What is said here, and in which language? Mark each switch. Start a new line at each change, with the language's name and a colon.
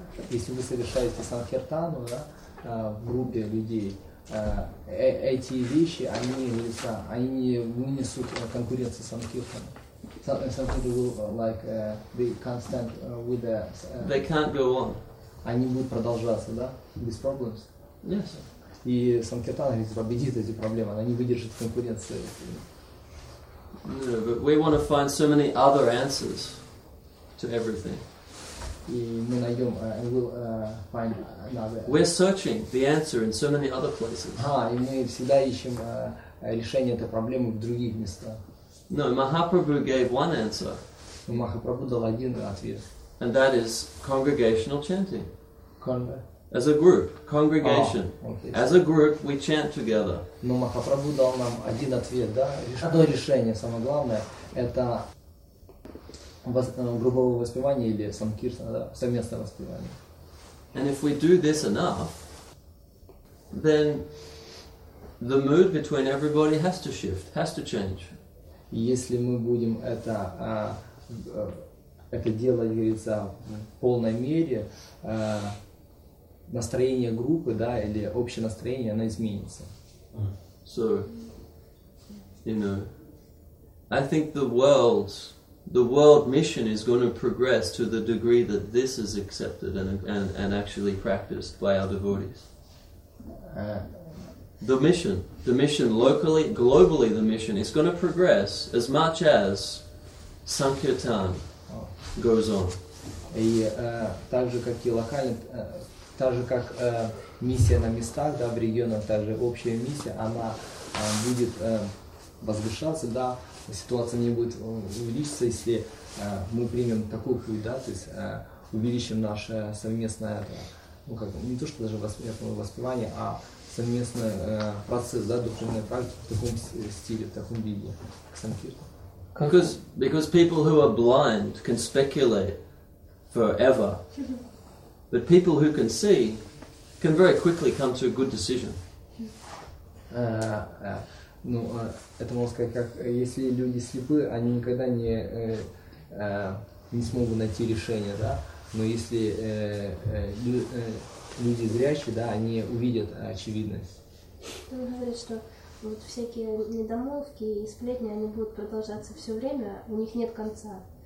Russian: Если вы совершаете санкиртану, да, в группе людей, эти вещи, они не вынесут конкуренции санкиртану.
English: Something to do like they can't stand with the. They can't go on.
Russian: Они будут продолжаться, да, без проблем.
English: Yes.
Russian: И санкиртана победит эти проблемы. Она не выдержит конкуренции.
English: No, but we want to find so many other answers to everything.
Russian: И мы найдем,
English: we'll find another. We're searching the answer in so many other places.
Russian: И мы всегда ищем решение этой проблемы в других местах.
English: No, Mahaprabhu gave one answer.
Russian: Mahaprabhu дал один ответ.
English: And that is congregational chanting.
Russian: Конга.
English: As a group, congregation. Okay. As a group, we chant together.
Russian: Но Махапрабху дал нам один ответ, да? Одно решение, самое главное, это групповое воспевание или санкиртана, да? Совместное воспевание.
English: And if we do this enough, then the mood between everybody has to shift, has to change.
Russian: Если мы будем это делать, говорится, в полной мере, настроение группы, да, или общее настроение, оно изменится.
English: So, you know, I think the world mission is going to progress to the degree that this is accepted and actually practiced by our devotees. The mission locally, globally, the mission is going to progress as much as sankirtan goes on.
Russian: И так же как и локально, так же как миссия на местах, да, в регионах, так же общая миссия, она будет возвышаться, да, ситуация не будет увеличиться, если мы примем такой путь, да, то есть увеличим наше совместное, ну как не то что даже воспевание, а совместный процесс, да, духовной практики в таком стиле, в таком виде, к санкирте. Because people who are blind can speculate forever, but people who can see can very quickly come to a good decision. Это можно сказать, как если люди слепы, они никогда не смогут найти решение, да, но если люди зрячие, да, они увидят очевидность. Он говорит, что вот всякие недомолвки и сплетни, они будут продолжаться все время, у них нет конца.